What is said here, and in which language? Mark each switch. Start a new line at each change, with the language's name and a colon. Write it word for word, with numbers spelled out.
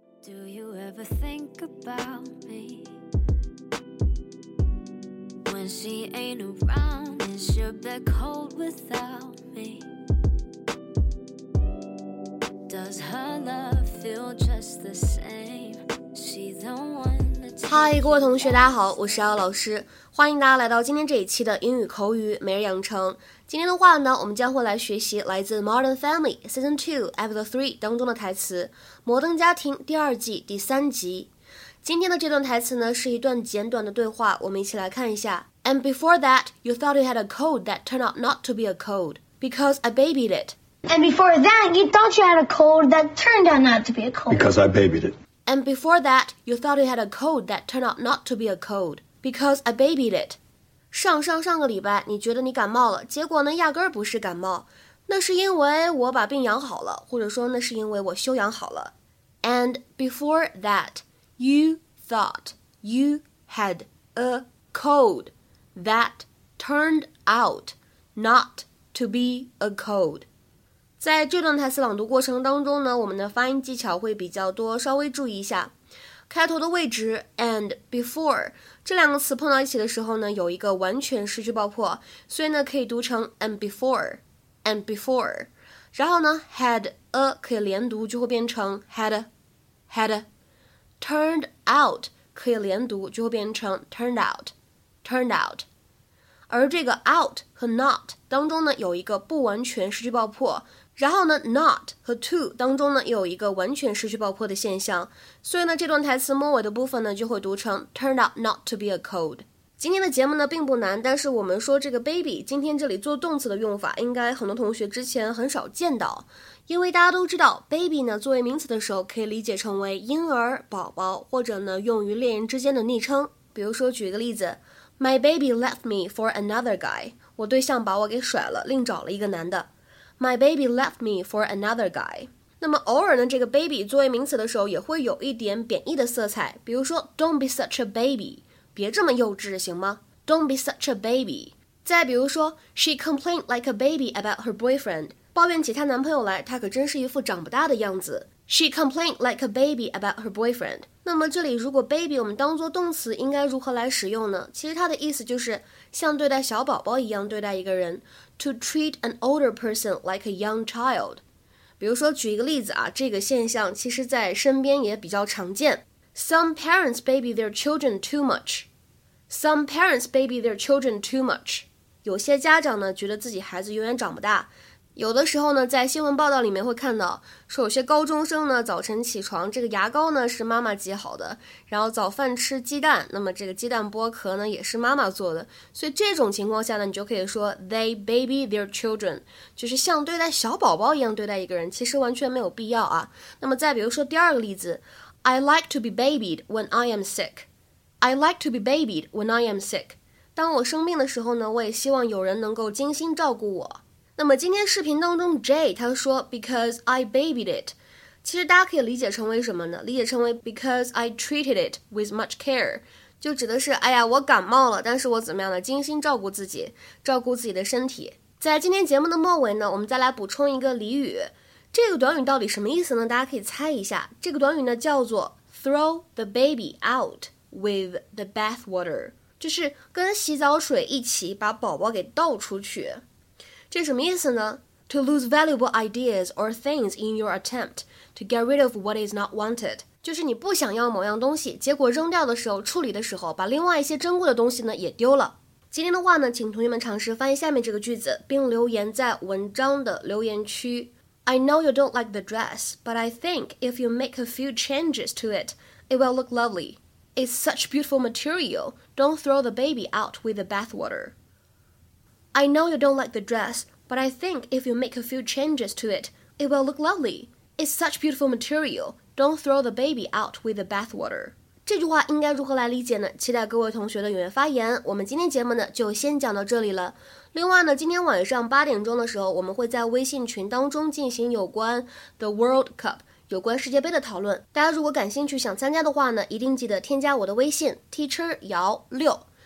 English: Do you ever think about me? When she ain't around, is your bed cold without me? Does her love feel just the same? She's the one that...
Chinese: 嗨，各位同学，大家好，我是姚老师，欢迎大家来到今天这一期的英语口语每日养成。今天的话呢，我们将会来学习来自 Modern Family Season two Episode three 当中的台词，摩登家庭第二季第三集。今天的这段台词呢，是一段简短的对话，我们一起来看一下。
English: And before that, you thought you had a cold that turned out not to be a cold, because I babied it. And before that, you thought you had a cold that turned out not to be a cold, because I babied it. And before that, you thought you had a cold that turned out not to be a cold, because I babied it.
Chinese: 上上上个礼拜，你觉得你感冒了，结果呢，压根儿不是感冒，那是因为我把病养好了，或者说那是因为我休养好了。
English: And before that. You thought you had a cold that turned out not to be a cold.
Chinese: 在这段台词朗读过程当中呢，我们的发音技巧会比较多，稍微注意一下。开头的位置 and before 这两个词碰到一起的时候呢，有一个完全失去爆破，所以呢可以读成
English: and before and before。
Chinese: 然后呢 had a 可以连读，就会变成
English: had a had a。
Chinese: Turned out 可以连读，就会变成
English: turned out, turned out。
Chinese: 而这个 out 和 not 当中呢，有一个不完全失去爆破，然后呢 not 和 to 当中呢，有一个完全失去爆破的现象，所以呢，这段台词末尾的部分呢，就会读成
English: turned out not to be a cold。
Chinese: 今天的节目呢并不难，但是我们说这个 baby 今天这里做动词的用法，应该很多同学之前很少见到，因为大家都知道 baby 呢作为名词的时候可以理解成为婴儿、宝宝，或者呢用于恋人之间的昵称。比如说举一个例子，
English: My baby left me for another guy，
Chinese: 我对象把我给甩了，另找了一个男的。
English: My baby left me for another guy。
Chinese: 那么偶尔呢这个 baby 作为名词的时候也会有一点贬义的色彩，比如说
English: Don't be such a baby，
Chinese: 别这么幼稚行吗？
English: Don't be such a baby。 再比如说 She complained like a baby about her boyfriend，
Chinese: 抱怨起她男朋友来，她可真是一副长不大的样子。
English: She complained like a baby about her boyfriend。
Chinese: 那么这里如果 baby 我们当作动词应该如何来使用呢？其实它的意思就是像对待小宝宝一样对待一个人，
English: to treat an older person like a young child。
Chinese: 比如说举一个例子啊，这个现象其实在身边也比较常见。
English: Some parents baby their children too much. Some parents baby their children too much.
Chinese: 有些家长呢，觉得自己孩子永远长不大。有的时候呢，在新闻报道里面会看到，说有些高中生呢，早晨起床，这个牙膏呢是妈妈挤好的，然后早饭吃鸡蛋，那么这个鸡蛋剥壳呢也是妈妈做的。所以这种情况下呢，你就可以说
English: they baby their children，
Chinese: 就是像对待小宝宝一样对待一个人，其实完全没有必要啊。那么再比如说第二个例子。
English: I like to be babied when I am sick. I like to be babied when I am sick.
Chinese: 当我生病的时候呢，我也希望有人能够精心照顾我。那么今天视频当中 Jay 他说
English: because I babied it，
Chinese: 其实大家可以理解成为什么呢？理解成为
English: because I treated it with much care，
Chinese: 就指的是哎呀我感冒了，但是我怎么样呢？精心照顾自己，照顾自己的身体。在今天节目的末尾呢，我们再来补充一个俚语。这个短语到底什么意思呢？大家可以猜一下。这个短语呢叫做
English: throw the baby out with the bathwater，
Chinese: 就是跟洗澡水一起把宝宝给倒出去。这什么意思呢？
English: To lose valuable ideas or things in your attempt to get rid of what is not wanted，
Chinese: 就是你不想要某样东西，结果扔掉的时候，处理的时候，把另外一些珍贵的东西呢也丢了。今天的话呢，请同学们尝试翻译下面这个句子，并留言在文章的留言区。
English: I know you don't like the dress, but I think if you make a few changes to it, it will look lovely. It's such beautiful material. Don't throw the baby out with the bathwater. I know you don't like the dress, but I think if you make a few changes to it, it will look lovely. It's such beautiful material. Don't throw the baby out with the bathwater.
Chinese: 这句话应该如何来理解呢？期待各位同学的踊跃发言。我们今天节目呢就先讲到这里了。另外呢，今天晚上八点钟的时候，我们会在微信群当中进行有关 The World Cup 有关世界杯的讨论。大家如果感兴趣想参加的话呢，一定记得添加我的微信 Teacher 姚六。